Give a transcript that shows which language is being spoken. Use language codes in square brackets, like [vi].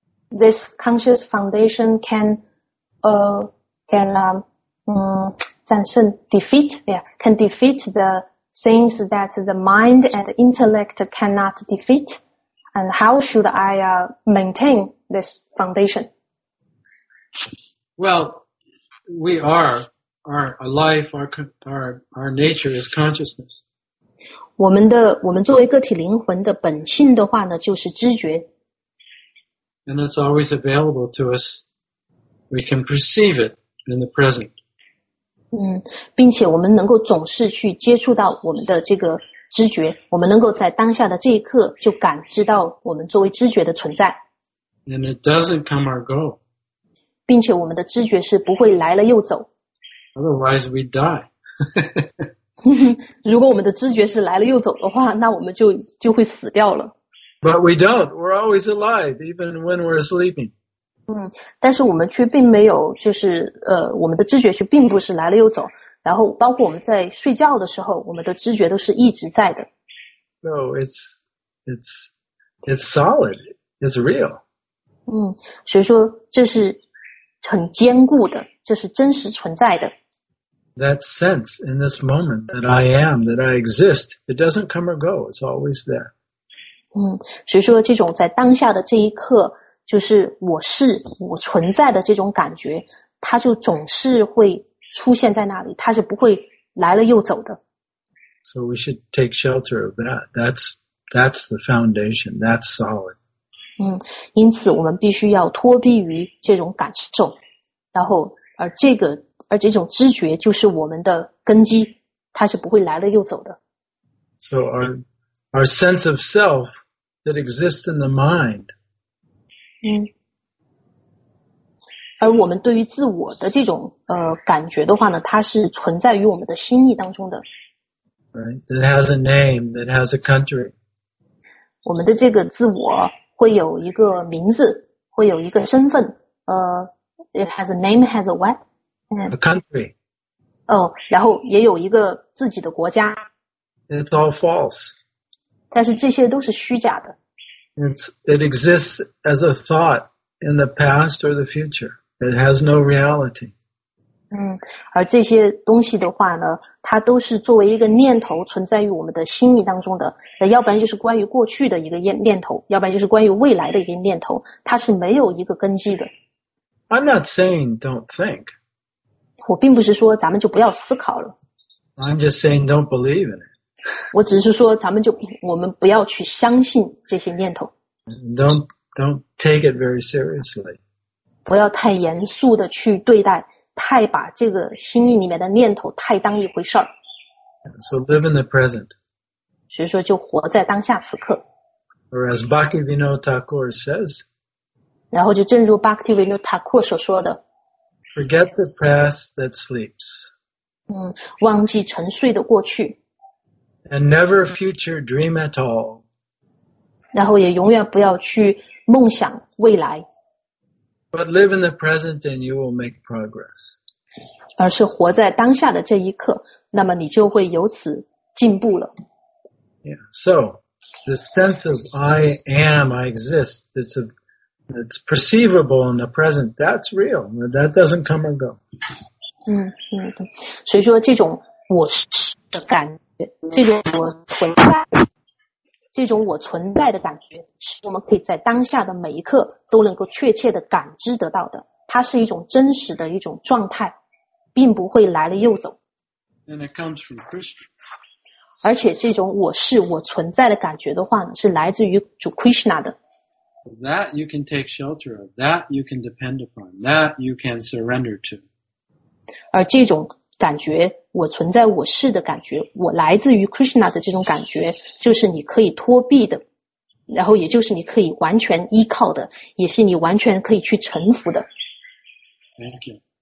[en] This conscious foundation can defeat the things that the mind and the intellect cannot defeat. And how should I maintain this foundation? Well, we are our life, our nature is consciousness. [zh] 我们作为个体灵魂的本性的话呢，就是知觉。 [en] And it's always available to us. We can perceive it in the present. [zh] 并且我们能够总是去接触到我们的这个知觉，我们能够在当下的这一刻就感知到我们作为知觉的存在。 [en] And it doesn't come or go. [zh] 并且我们的知觉是不会来了又走。 [en] Otherwise, we die. [zh] 如果我们的知觉是来了又走的话，那我们就会死掉了。 [en] But we don't. We're always alive, even when we're sleeping. [zh] 但是我们却并没有，就是我们的知觉却并不是来了又走。然后包括我们在睡觉的时候，我们的知觉都是一直在的。 [en] No, it's solid. It's real. [zh] 所以说这是很坚固的，这是真实存在的。 [en] That sense in this moment that I am, that I exist, it doesn't come or go. It's always there. [zh] 所以说这种在当下的这一刻，就是我是我存在的这种感觉，它就总是会出现在那里，它是不会来了又走的。 [en] So we should take shelter of that. That's the foundation. That's solid. [zh] 因此我们必须要脱避于这种感受，然后而这种知觉就是我们的根基，它是不会来了又走的。 [en] So our sense of self that exists in the mind. [zh] 而我们对于自我的这种感觉的话呢，它是存在于我们的心意当中的。 [en] Right, that has a name, that has a country. [zh] 我们的这个自我会有一个名字，会有一个身份。 [en] It has a name, has a what? A country. [zh] 然后也有一个自己的国家。 [en] It's all false. [zh] 但是这些都是虚假的。 [en] It exists as a thought in the past or the future. It has no reality. [zh] 而这些东西的话呢，它都是作为一个念头存在于我们的心意当中的，要不然就是关于过去的一个念头，要不然就是关于未来的一个念头，它是没有一个根基的。 [en] I'm not saying don't think. [zh] 我并不是说咱们就不要思考了。 [en] I'm just saying don't believe in it. [zh] 我只是说咱们就我们不要去相信这些念头。 [en] Don't take it very seriously. [zh] 不要太严肃的去对待，太把这个心意里面的念头太当一回事儿。 [en] So live in the present. [zh] 所以说就活在当下此刻。 [en] Or as Bhaktivinoda Thakur says. [zh] 然后就正如 Bhaktivinoda Thakur 所说的。 [en] Forget the past that sleeps. [zh] 忘记沉睡的过去。 [en] And never future dream at all. [zh] 然后也永远不要去梦想未来。 [en] But live in the present and you will make progress. [zh] 而是活在当下的这一刻，那么你就会由此进步了。 [en] Yeah. So, the sense of I am, I exist, it's perceivable in the present, that's real. That doesn't come and go. [zh] 所以说这种我是的感觉。这种我存在的感觉是我们可以在当下的每一刻都能够确切的感知得到的，它是一种真实的一种状态，并不会来了又走。 [en] And it comes from Krishna. [zh] 而且这种我是我存在的感觉的话呢，是来自于主 Krishna 的。 [en] That you can take shelter of, that you can depend upon, that you can surrender to. [zh] 而这种感觉我存在我是的感觉，我来自于 Krishna 的这种感觉，就是你可以脱避的，然后也就是你可以完全依靠的，也是你完全可以去臣服的。 [en] Thank you.